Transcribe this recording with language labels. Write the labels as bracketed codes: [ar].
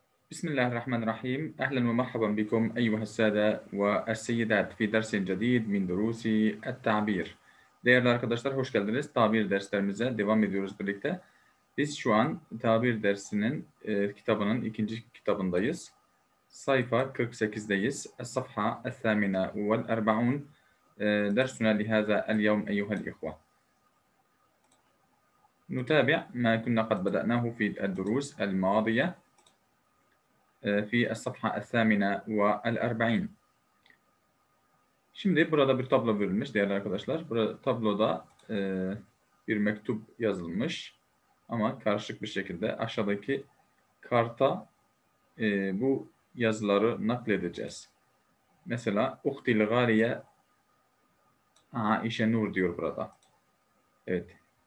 [ar] بسم الله الرحمن الرحيم، أهلا ومرحبا بكم أيها السادة والسيدات في درس جديد من دروس التعبير. [tr] Değerli arkadaşlar hoş geldiniz. Tabir derslerimize devam ediyoruz birlikte. Biz şu an tabir dersinin kitabının ikinci kitabındayız. Sayfa 48'deyiz. Safha 48. [ar] Dersuna lihaza al-yawm ayuha al-ikhwa. نتابع ما كنا قد بدأناه في الدروس الماضية في الصفحة 48. [tr] Şimdi burada bir tablo verilmiş değerli arkadaşlar. Burada tabloda bir mektup yazılmış ama karışık bir şekilde aşağıdaki karta bu yazıları nakledeceğiz. Mesela Uhtil Galiye Aişe Nur diyor burada. Evet.